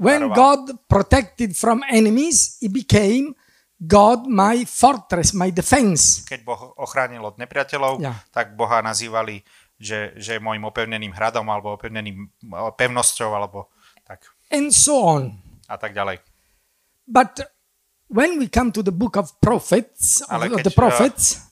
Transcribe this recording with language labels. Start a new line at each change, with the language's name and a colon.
English: When God protected from enemies, he became God my fortress, my defense.
Slovak: Keď Boh ochránil od nepriateľov, yeah, tak Boha nazývali, že je môjim opevneným hradom alebo opevneným pevnosťou alebo tak.
English: And so on.
Slovak: A tak ďalej.
English: But when we come to the book of prophets, of the prophets,